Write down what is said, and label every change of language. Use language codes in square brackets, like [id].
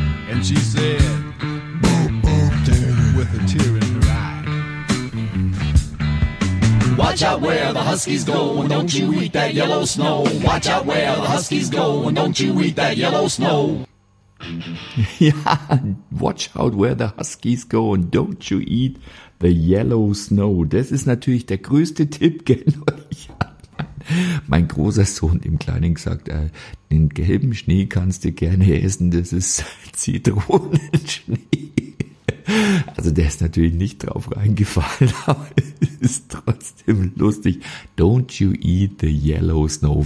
[en] And she said, boo, boo, dirty, with a tear in her eye. Watch out where the huskies go and don't you eat that yellow snow. Watch out where the huskies go and don't you eat that yellow snow. Ja, watch out where the huskies go and don't you eat the yellow snow. [de] Das ist natürlich der größte Tipp, gell? Mein großer Sohn im Kleinen gesagt, den gelben Schnee kannst du gerne essen, das ist Zitronenschnee. Also der ist natürlich nicht drauf reingefallen, aber ist trotzdem lustig. [en] Don't you eat the yellow snow.